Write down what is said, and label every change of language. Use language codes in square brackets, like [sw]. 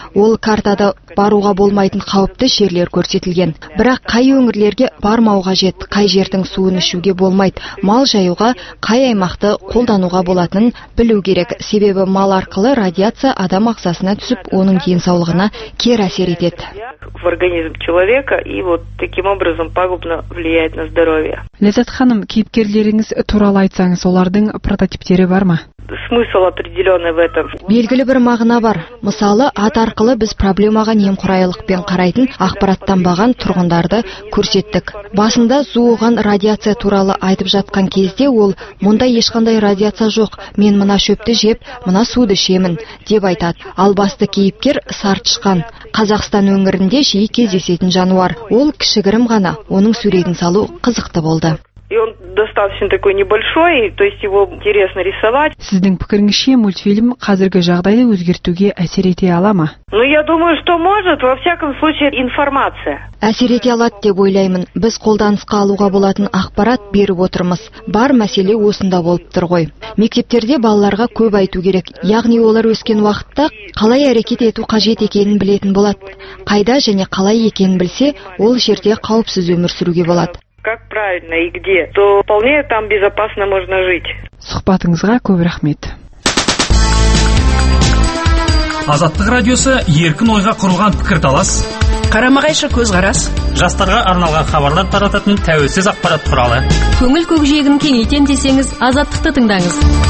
[kk] Ол картада баруға болмайтын қауіпті жерлер көрсетілген. Бірақ қай өңірлерге бармауға жет, қай жердің суын ішуге болмайды, мал жаюға, қай аймақты қолдануға болатынын білу керек. Себебі мал арқылы радиация адам ағзасына түсіп, оның денсаулығына кер әсер етеді. [ru] В организм человека и вот таким образом пагубно влияет на здоровье. [kk] Ләззат ханым, кейіпкерлеріңіз туралы айтсаңыз, олардың прототиптері бар ма? [ru] смысл определенный в этом. [kk] Белгілі бір мағына бар. Мысалы, ат арқылы біз проблемаға немқұрайлықпен қарайтын ақпараттанбаған тұрғындарды көрсеттік. Басында зуыған радиация туралы айтып жатқан кезде ол, мұнда ешқандай радиация жоқ, мен мына шөпті жеп, мына суды ішемін, деп айтады. Ал басты кейіпкер сартышқан. Қазақстан өңірінде жиі кездесетін жануар. Ол кішігірім ғана, оның суретін салу қызықты болды. Сіздің пікіріңізше мультфильм қазіргі жағдайды өзгертуге әсер ете ала ма? [ru] Ну, я думаю, что может, во всяком случае, информация. [kk] Әсер ете алады деп ойлаймын. Біз қолданысқа алуға болатын ақпарат беріп отырмыз. Бар мәселе осында болып тұр ғой. Мектептерде балаларға көп айту керек. Яғни олар өскен уақытта қалай әрекет ету қажет екенін білетін болады. Қайда және қалай екенін білсе, ол жерде қауіпсіз өмір сүруге болады. [ru] Как правильно и где, то вполне там безопасно можно жить. [kk] Сұхбатыңызға көп рахмет. Азаттық радиосы еркін ойға құрылған пікірталас. Қарама-қайшы көзқарас. Жастарға арналған хабарлар тарататын тәуелсіз ақпарат құралы. Көңіл көкжиегін кеңейтем десеңіз, Азаттықты тыңдаңыз.